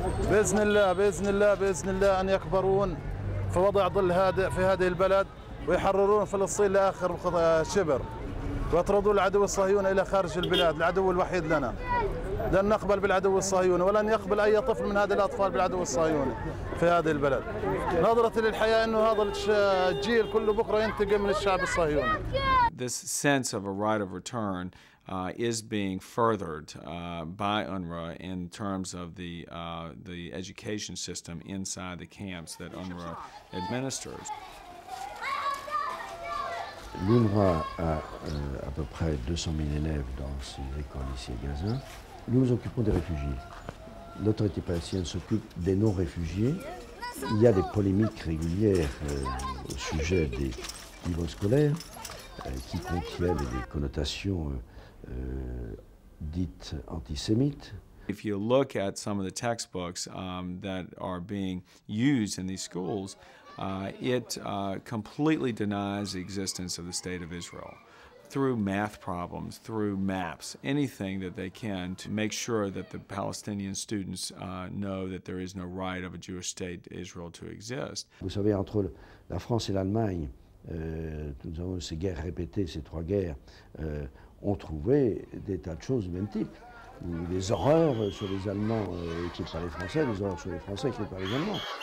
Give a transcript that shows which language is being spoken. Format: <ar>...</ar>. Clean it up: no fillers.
<ar>بإذن الله بإذن الله بإذن الله أن يكبرون في وضع ظل هادئ في هذه البلد ويحررون فلسطين لآخر شبر، ويطردوا العدو الصهيوني إلى خارج البلاد، العدو الوحيد لنا. لن نقبل بالعدو الصهيوني ولن يقبل أي طفل من هذه الأطفال بالعدو الصهيوني في هذه البلد. نظرة للحياة إنه هذا الجيل كله بكرة ينتقم من الشعب الصهيوني.</ar> <en>This sense of a right of return is being furthered by UNRWA in terms of the education system inside the camps that UNRWA administers.</en> <fr>L'UNRWA a à peu près 200 000 élèves dans ses écoles ici à Gaza. Nous nous occupons des réfugiés. L'autorité palestinienne s'occupe des non-réfugiés. Il y a des polémiques régulières au sujet des livres scolaires qui contiennent des connotations dites antisémites.</fr> <en>If you look at some of the textbooks that are being used in these schools, it completely denies the existence of the state of Israel. Through math problems, through maps, anything that they can to make sure that the Palestinian students know that there is no right of a Jewish state, Israel, to exist.</en> <fr>Vous savez, entre la France et l'Allemagne, nous avons ces guerres répétées, ces trois guerres, ont trouvé des tas de choses du même type. Des horreurs sur les Allemands écrites par les Français, des horreurs sur les Français écrites par les Allemands.</fr>